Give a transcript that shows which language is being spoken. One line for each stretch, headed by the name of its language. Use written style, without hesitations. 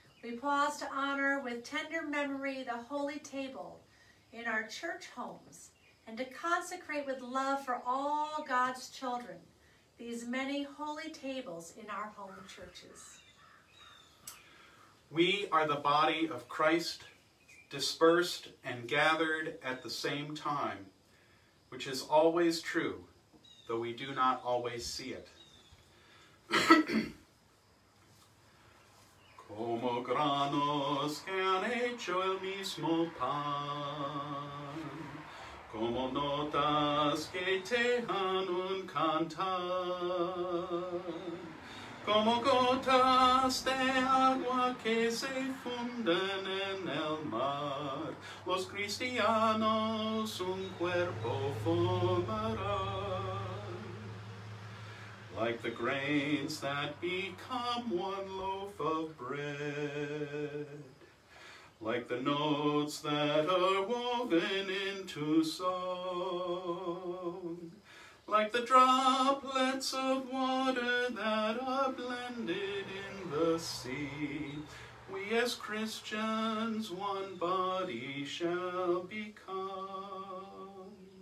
English: We pause to honor with tender memory the holy table in our church homes and to consecrate with love for all God's children these many holy tables in our home churches. We are the body of Christ, dispersed and gathered at the same time, which is always true, though we do not always see it.
Spanish: Como granos que han hecho el mismo pan, como notas que tejan un cantar, como gotas de agua que se funden en el mar, los cristianos un cuerpo formarán.
English: Like the grains that become one loaf of bread, like the notes that are woven into song, like the droplets of water that are blended in the sea, we as Christians one body shall become.